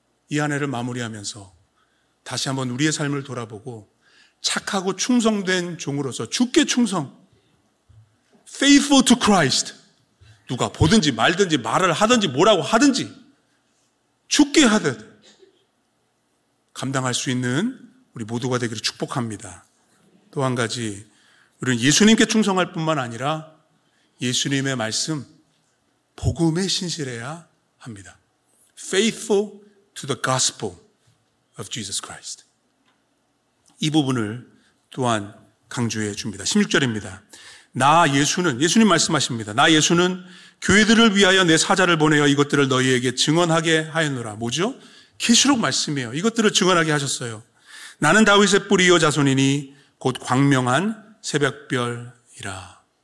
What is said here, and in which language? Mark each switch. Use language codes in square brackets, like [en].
[ko] 이 한 해를 마무리하면서 다시 한번 우리의 삶을 돌아보고 착하고 충성된 종으로서 주께 충성, [en] Faithful to Christ, [ko] 누가 보든지 말든지 말을 하든지 뭐라고 하든지 주께 하듯 감당할 수 있는 우리 모두가 되기를 축복합니다. 또 한 가지, 우리는 예수님께 충성할 뿐만 아니라 예수님의 말씀, 복음에 신실해야 합니다. [en] Faithful to the gospel of Jesus Christ. [ko] 이 부분을 또한 강조해 줍니다. 16절입니다. 나 예수는, 예수님 말씀하십니다. 나 예수는 교회들을 위하여 내 사자를 보내어 이것들을 너희에게 증언하게 하였노라. 뭐죠? 계시록 말씀이에요. 이것들을 증언하게 하셨어요. 나는 다윗의 뿌리요 자손이니 곧 광명한 새벽별이라.